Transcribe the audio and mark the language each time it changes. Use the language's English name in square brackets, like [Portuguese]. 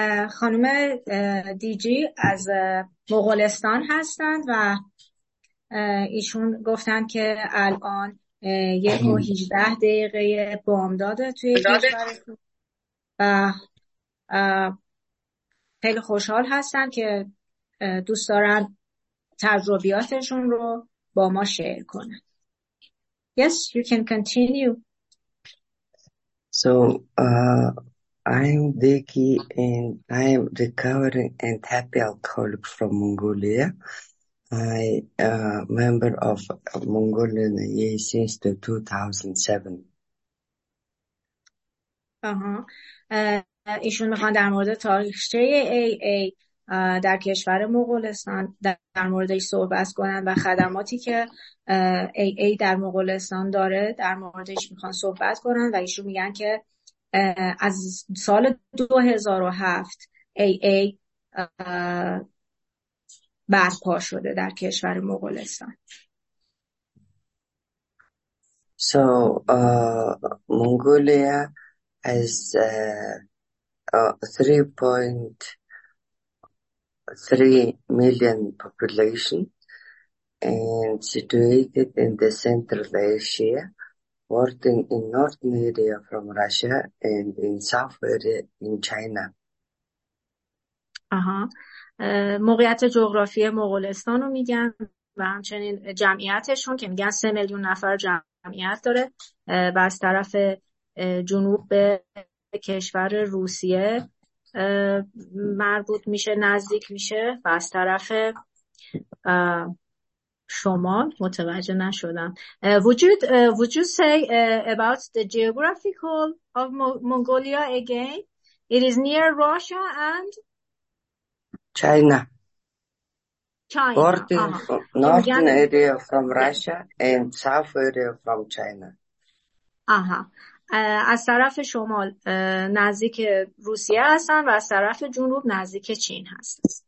[Persian] خانم دی جی از مغولستان هستند و ایشون گفتند که الان 1:18 بامداد توی کشورشون و خیلی خوشحال هستند که دوست دارن تجربیاتشون رو با ما شیر کنند. [English] Yes, you can continue. So, I am Deki and I am recovering and happy alcoholic from Mongolia. I am a member of Mongolian AA since the 2007. [Persian] ایشون میخوان در مورد تاریخچه AA در کشور مغولستان در موردش صحبت کنن و خدماتی که AA در مغولستان داره در موردش میخوان صحبت کنن و ایشون میگن که از سال 2007 AA برپا شده در کشور مغولستان. [English] So, Mongolia has 3.3 million population and situated in the Central Asia. Working in northern area from Russia and in south area in China. [Persian] آها، موقعیت جغرافی مغولستان رو میگن و همچنین جمعیتشون که میگن 3 میلیون نفر جمعیت داره و از طرف جنوب به کشور روسیه مربوط میشه، نزدیک میشه و از طرف شما متوجه نشدم. [English] Would you say about the geographical of Mongolia again? It is near Russia and China. China. Border, northern area from Russia and south area from China. آها. [Persian] از طرف شمال نزدیک روسیه هستن و از طرف جنوب نزدیک چین هستن.